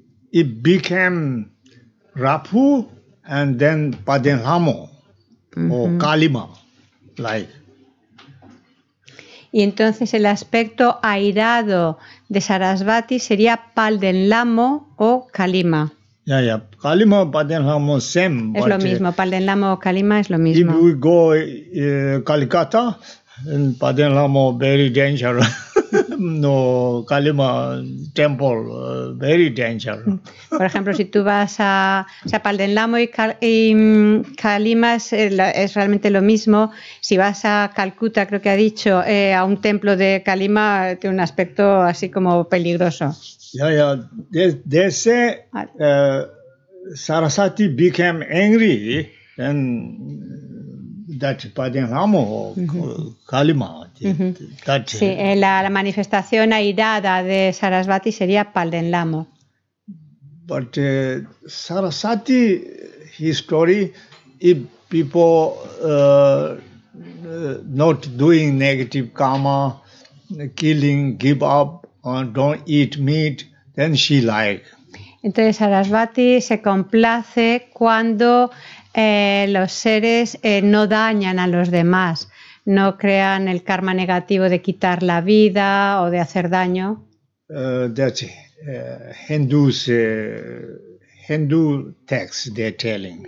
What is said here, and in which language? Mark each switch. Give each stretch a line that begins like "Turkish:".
English: it became Rapu and then Padenhamo or Kalima, like.
Spanish: Y entonces el aspecto airado de Sarasvati sería Padenhamo o Kalima.
English: Yeah, yeah. Kalima, Padenhamo, same.
Spanish: Es lo mismo. Padenhamo o Kalima es lo mismo.
English: If we go Calcutta, Padenhamo very dangerous. No, Kalima temple very dangerous.
Spanish: Por ejemplo, si tú vas a, o sea, Padenhamo y Kalima es realmente lo mismo. Si vas a Calcuta, creo que ha dicho, a un templo de Kalima tiene un aspecto así como peligroso.
English: Yeah, yeah. They say Sarasvati became angry and that Padenhamo Kalima.
Spanish: La manifestación airada de Sarasvati sería Padenhamo.
English: But Sarasvati history, if people not doing negative karma, killing, give up, don't eat meat, then she like.
Spanish: Entonces Sarasvati se complace cuando los seres no dañan a los demás, no crean el karma negativo de quitar la vida o de hacer daño.
English: That's Hindus, Hindu texts they're telling.